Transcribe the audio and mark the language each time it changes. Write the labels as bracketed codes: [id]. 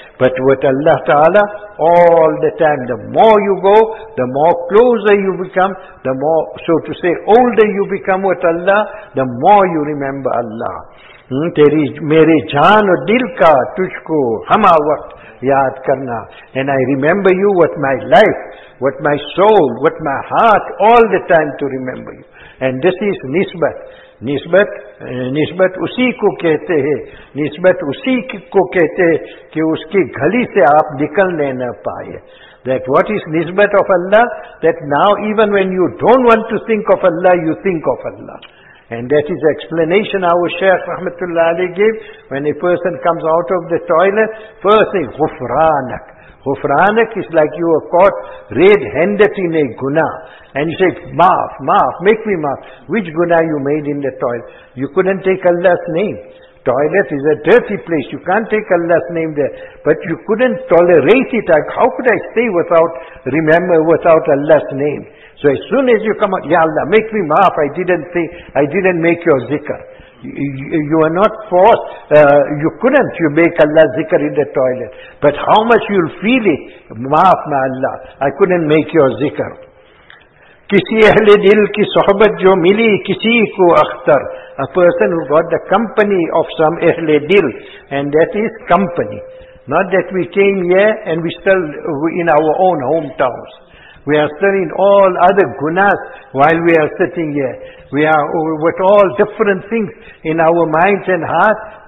[en] But with Allah Ta'ala, all the time, the more you go, the more closer you become, the more, so to say, older you become with Allah, the more you remember Allah. [ur] Teri mere jaan aur dil ka tujhko hama waqt yaad karna. [en] And I remember you with my life, with my soul, with my heart, all the time to remember you. And this is nisbat. [ur] نسبت اسی کو کہتے ہیں, نسبت اسی کو کہتے ہیں کہ اس کی گھلی سے آپ نکلنے نہ پائے. [en] That what is nisbat of Allah? That now even when you don't want to think of Allah, you think of Allah. And that is the explanation our Shaykh Rahmatullah Ali gave. When a person comes out of the toilet, first thing, ghufranak. Ghufranak is like you are caught red-handed in a guna. And you say, maaf, maaf, make me maaf. Which guna you made in the toilet? You couldn't take Allah's name. Toilet is a dirty place. You can't take Allah's name there. But you couldn't tolerate it. How could I stay without Allah's name? So as soon as you come out, Ya Allah, make me maaf. I didn't make your zikr. You are not forced. You couldn't. You make Allah's zikr in the toilet. But how much you'll feel it. Maaf, Ma Allah. I couldn't make your zikr. [ur] کسی اہل دل کی صحبت جو ملی کسی کو Akhtar. [en] A person who got the company of some اہل دل, and that is company. Not that we came here and we still in our own hometowns. We are still in all other gunas while we are sitting here. We are with all different things in our minds and hearts.